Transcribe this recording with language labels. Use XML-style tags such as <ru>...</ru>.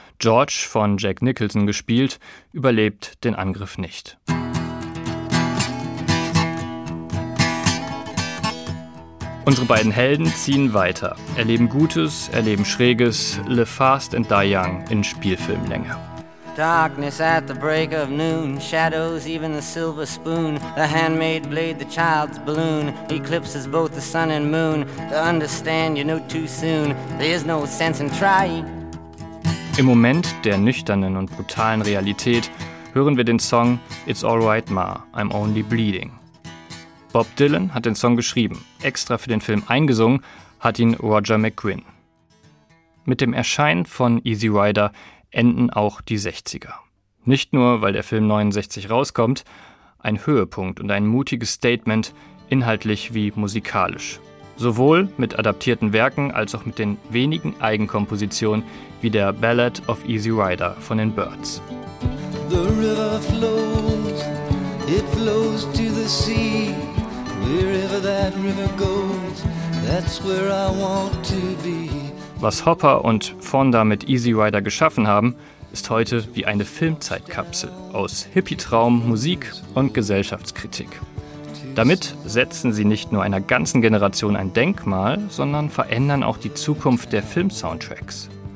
<de>George, von Jack Nicholson gespielt, überlebt den Angriff nicht. Unsere beiden Helden ziehen weiter, erleben Gutes, erleben Schräges,</de> <en>live fast and die young</en> <de>in Spielfilmlänge.</de> <en>Darkness at the break of noon, shadows even the silver spoon, the handmade blade, the child's balloon, eclipses both the sun and moon, to understand you know too soon, there is no sense in trying.</en> <de>Im Moment der nüchternen und brutalen Realität hören wir den Song It's Alright Ma, I'm Only Bleeding. Bob Dylan hat den Song geschrieben, extra für den Film eingesungen hat ihn Roger McGuinn. Mit dem Erscheinen von Easy Rider enden auch die 60er. Nicht nur, weil der Film 69 rauskommt, ein Höhepunkt und ein mutiges Statement, inhaltlich wie musikalisch. Sowohl mit adaptierten Werken als auch mit den wenigen Eigenkompositionen wie der Ballad of Easy Rider von den Byrds.</de> <en>The river flows, it flows to the sea. Wherever that river goes, that's where I want to be.</en> <de>Was Hopper und Fonda mit Easy Rider geschaffen haben, ist heute wie eine Filmzeitkapsel aus Hippie-Traum, Musik und Gesellschaftskritik. Damit setzen sie nicht nur einer ganzen Generation ein Denkmal, sondern verändern auch die Zukunft der Filmsoundtracks.</de>